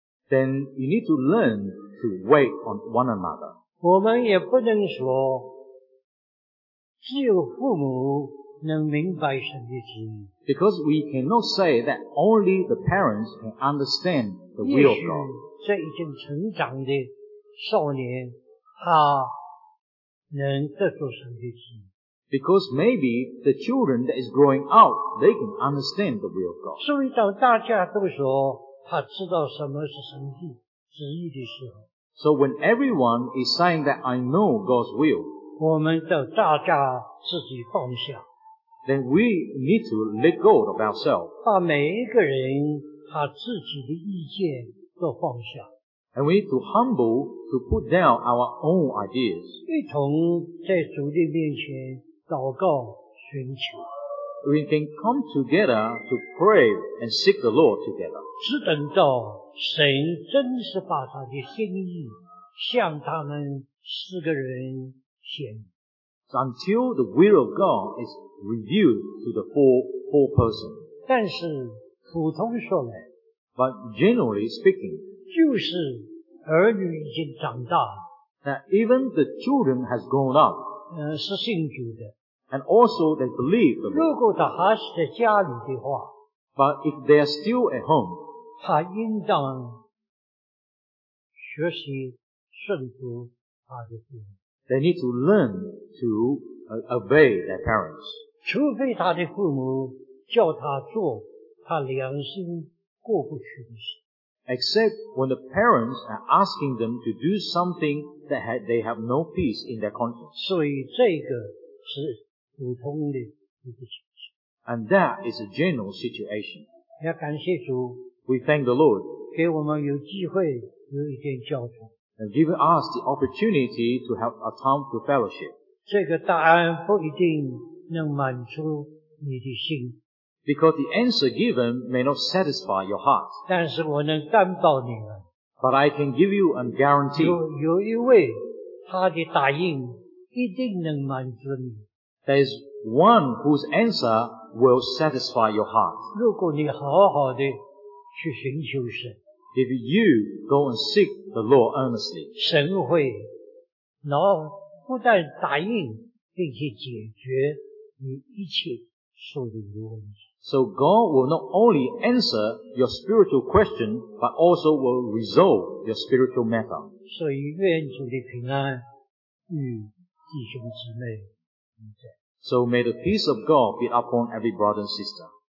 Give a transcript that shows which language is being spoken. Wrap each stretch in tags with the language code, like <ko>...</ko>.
<en>Then you need to learn to wait on one another.</en> <zh>我们也不能说只有父母能明白神的旨意，</zh> <en>Because we cannot say that only the parents can understand the will of God.</en> <zh>也许这已经成长的少年他能得到神的旨意，</zh> <en>Because maybe the children that is growing out, they can understand the will of God.</en> <zh>所以当大家都说他知道什么是神的旨意的时候，</zh> <en>So when everyone is saying that I know God's will,</en> <zh>我们都大家自己放下，</zh> <en>Then we need to let go of ourselves.</en> <zh>把每一个人他自己的意见都放下，</zh> <en>And we need to humble to put down our own ideas.</en> <zh>一同在主的面前祷告寻求。</zh> <en>We can come together to pray and seek the Lord together.</en> <zh>只等到神真是把他的心意向他们四个人显明。</zh> <en>Until the will of God is revealed to the four persons.</en> <zh>但是普通说来，</zh> <en>But generally speaking,</en> <zh>就是儿女已经长大了，</zh> <en>that even the children has grown up,</en> <zh>是信主的，</zh> <en>and also they believe the Lord.</en> <zh>如果他还是在家里的话，</zh> <en>but if they are still at home,</en> <zh>他应当学习顺服他的父母，</zh> <en>they need to learn to obey their parents.</en> <zh>除非他的父母叫他做他良心过不去的事。</zh> <en>Except when the parents are asking them to do something that they have no peace in their conscience.</en> <zh>所以这个是普通的一个情形。</zh> <en>And that is a general situation.</en> <zh>要感谢主。</zh> <en>We thank the Lord.</en> <zh>给我们有机会有一点交通。</zh> <en>And give us the opportunity to have a time to fellowship.</en> <zh>这个答案不一定能满足你的心。</zh> <en>Because the answer given may not satisfy your heart.</en> <zh>但是我能担保你们，</zh> <en>But I can give you a guarantee.</en> <zh>有一位他的答应一定能满足你。</zh> <en>There is one whose answer will satisfy your heart.</en> <zh>如果你好好的去寻求神，</zh> <en>If you go and seek the Lord earnestly,</en> <zh>神会然后不但答应并且解决你一切所有的问题。</zh> <en>So God will not only answer your spiritual question, but also will resolve your spiritual matter.</en> <zh>所以愿主的平安与弟兄姊妹同在。</zh> <en>So may the peace of God be upon every brother and sister.</en>